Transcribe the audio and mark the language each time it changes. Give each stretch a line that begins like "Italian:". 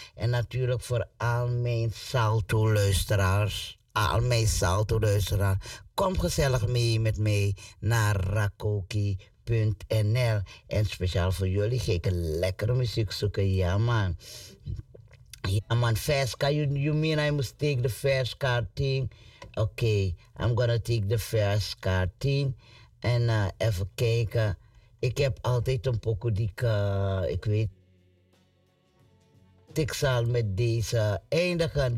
Dutch: En natuurlijk voor al mijn salto-luisteraars. Al mijn salto-luisteraars. Kom gezellig mee met mij naar rakoki.nl. En speciaal voor jullie ga ik een lekkere muziek zoeken. Ja, man. Ja, man. Verska.
English: You mean I must take the Verska thing? Oké. Okay. I'm gonna take the Verska thing.
Dutch: En even kijken. Ik heb altijd een pokoe die ik... ik weet... Ik zal met deze eindigen.